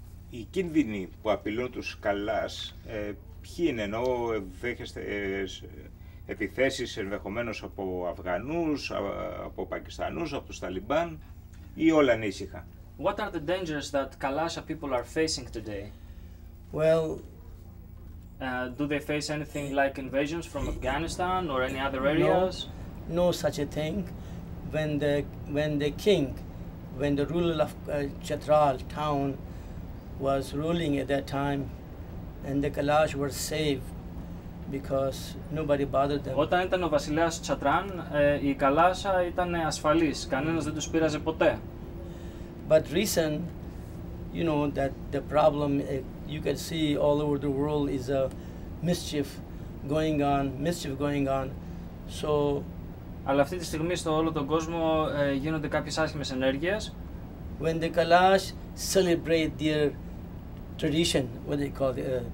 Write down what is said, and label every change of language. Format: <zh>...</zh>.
<el>Οι κίνδυνοι που απειλούν τους Καλάς, ποιοι είναι, εννοώ, δέχεστε επιθέσεις ενδεχομένως από Αφγανούς, από Πακιστανούς, από τους Ταλιμπάν ή όλα είναι ήσυχα?</el> <en>What are the dangers that Kalasha people are facing today? Well, do they face anything like invasions from Afghanistan or any other areas? know such a thing. When the king, when the ruler of Chetral town was ruling at that time, and the Kalash were saved because nobody bothered them.</en> <el>Όταν ήταν ο βασιλιάς Τσατράν, η Καλάσα ήταν ασφαλής. Κανένας δεν τους πήραζε ποτέ.</el> <en>But recent, you know, that the problem you can see all over the world is a mischief going on. So.</en> <el>Αλλά αυτή τη στιγμή στο όλο τον κόσμο γίνονται κάποιες άσχημες ενέργειες.</el> <en>When the Kalash celebrate their tradition, what they call it,</en>